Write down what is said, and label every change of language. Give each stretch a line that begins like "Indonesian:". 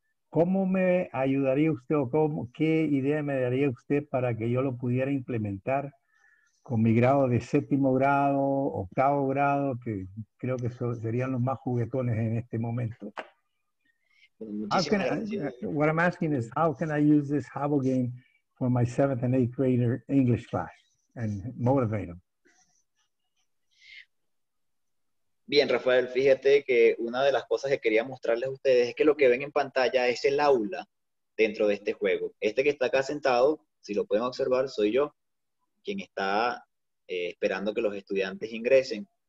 Spanish: ¿Cómo me ayudaría usted o cómo, qué idea me daría usted para que yo lo pudiera implementar con mi grado de séptimo grado, octavo grado, que creo que serían los más juguetones en este momento?
English: What I'm asking is, how can I use this Habbo game for my 7th and 8th grader English class and motivate them?
Spanish: Bien, Rafael, fíjate que una de las cosas que quería mostrarles a ustedes es que lo que ven en pantalla es el aula dentro de este juego. Este que está acá sentado, si lo pueden observar, soy yo, quien está esperando que los estudiantes ingresen.